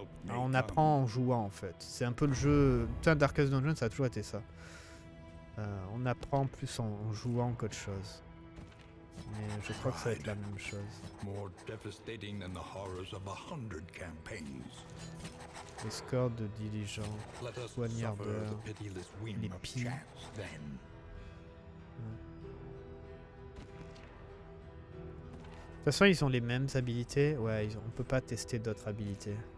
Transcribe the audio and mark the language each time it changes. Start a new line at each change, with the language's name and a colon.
French: On apprend en jouant en fait. C'est un peu le jeu, putain, Darkest Dungeon ça a toujours été ça. On apprend plus en jouant qu'autre chose. Mais je crois que ça va être la même chose.
English: More devastating than the horrors of 100 campaigns.
French: Escorte de diligents, soigneurs, les pires. De toute façon, ils ont les mêmes habilités. Ouais, on peut pas tester d'autres habilités.